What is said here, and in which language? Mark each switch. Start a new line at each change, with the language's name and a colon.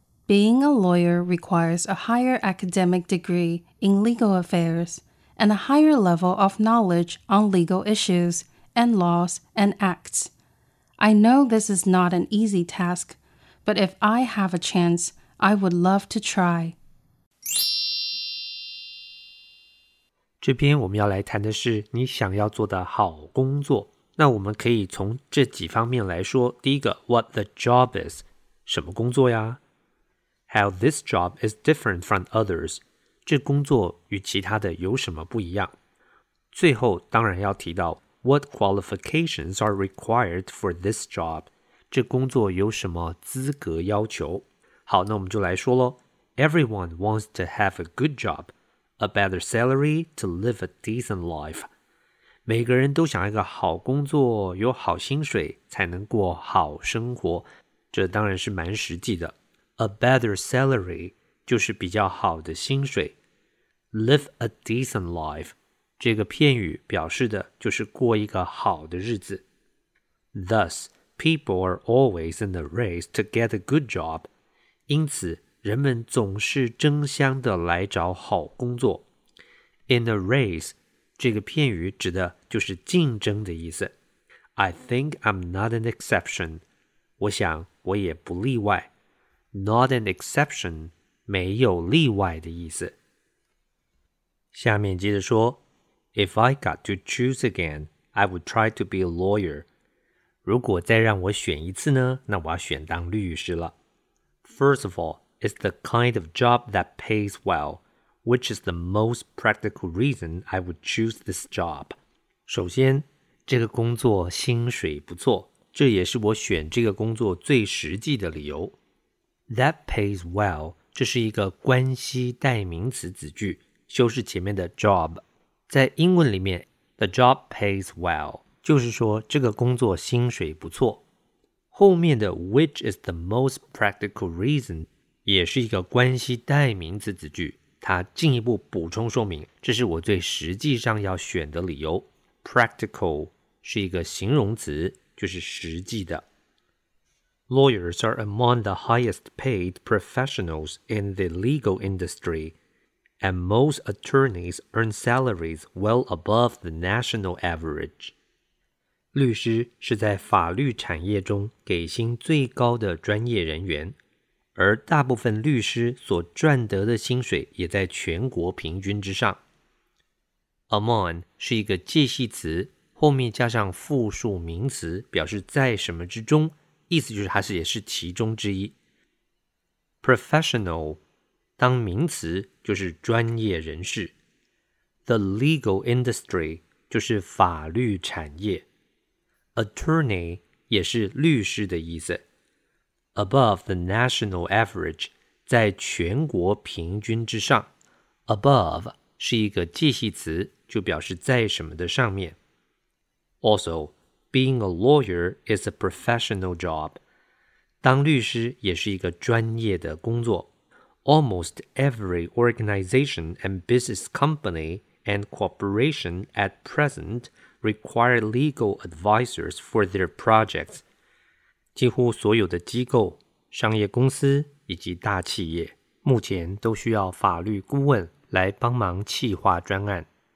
English: Being a lawyer requires a higher academic degree in legal affairs and a higher level of knowledge on legal issues and laws and acts. I know this is not an easy task, but if I have a chance, I would love to try.
Chinese: 这边我们要来谈的是你想要做的好工作。那我们可以从这几方面来说。第一个 ,
English: what the job is,
Chinese: 什么工作呀 ?
English: How this job is different from others,
Chinese: 这工作与其他的有什么不一样。最后当然要提到 ,
English: what qualifications are required for this job,
Chinese: 这工作有什么资格要求。好那我们就来说咯。
English: Everyone wants to have a good job. A better salary to live a decent life.
Chinese: 每个人都想要一个好工作，有好薪水，才能过好生活。这当然是蛮实际的。
English: A better salary
Chinese: 就是比较好的薪水。
English: Live a decent life
Chinese: 这个片语表示的就是过一个好的日子。
English: Thus, people are always in the race to get a good job.
Chinese: 因此人们总是争相的来找好工作。
English: In a race,
Chinese: 这个片语指的就是竞争的意思。
English: I think I'm not an exception.
Chinese: 我想我也不例外。
English: Not an exception,
Chinese: 没有例外的意思。下面接着说
English: ,If I got to choose again, I would try to be a lawyer.
Chinese: 如果再让我选一次呢,那我要选当律师了。
English: First of all,It's the kind of job that pays well, which is the most practical reason I would choose this job.
Chinese: 首先,这个工作薪水不错,这也是我选这个工作最实际的理由。
English: That pays well,
Chinese: 这是一个关系代名词子句,修饰前面的 job。在英文里面 ,
English: the job pays well,
Chinese: 就是说这个工作薪水不错。后面的
English: which is the most practical reason,
Chinese: 也是一个关系代名词子句，它进一步补充说明，这是我最实际上要选的理由。 Practical 是一个形容词，就是实际的。
English: Lawyers are among the highest paid professionals in the legal industry, and most attorneys earn salaries well above the national average.
Chinese: 律师是在法律产业中给薪最高的专业人员。而大部分律师所赚得的薪水也在全国平均之上。Among 是一个介系词，后面加上复数名词，表示在什么之中，意思就是它是也是其中之一。 Professional 当名词就是专业人士。
English: The legal industry
Chinese: 就是法律产业。 Attorney 也是律师的意思。
English: Above the national average
Chinese: 在全国平均之上。 Above 是一个介系词，就表示在什么的上面。
English: Also, being a lawyer is a professional job.
Chinese: 当律师也是一个专业的工作。
English: Almost every organization and business company and corporation at present require legal advisors for their projects.
Chinese: 几乎所有的机构、商业公司以及大企业目前都需要法律顾问来帮忙企划专案。